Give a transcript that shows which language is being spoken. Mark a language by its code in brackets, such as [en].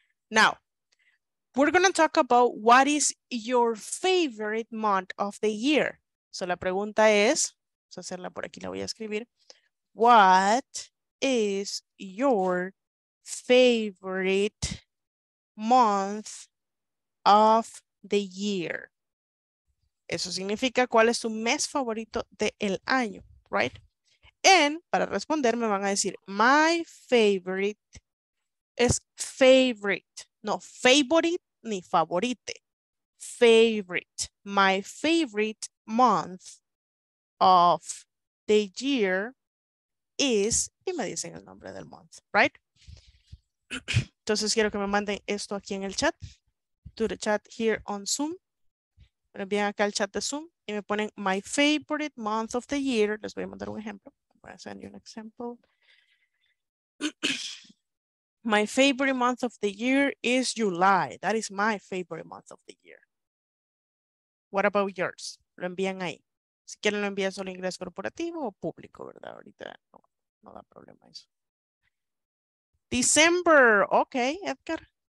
[en] Now, we're going to talk about what is your favorite month of the year. [es] So la pregunta es, vamos a hacerla por aquí, la voy a escribir. [en] What is your favorite month of the year. [es] Eso significa cuál es su mes favorito del año, right? And para responder me van a decir, [en] my favorite [es] es favorite, no favorite ni favorite. [en] Favorite, my favorite month of the year is, [es] y me dicen el nombre del [en] month, right? [es] Entonces quiero que me manden esto aquí en el chat, [en] to the chat here on Zoom. [es] Pero envían acá al chat de Zoom y me ponen [en] my favorite month of the year. [es] Les voy a mandar un ejemplo. Voy a [en] send you an example. My favorite month of the year is July. That is my favorite month of the year. What about yours? [es] Lo envían ahí. Si quieren lo envían solo inglés corporativo o público, ¿verdad? Ahorita no, no da problema eso. December. [en] Ok, Edgar.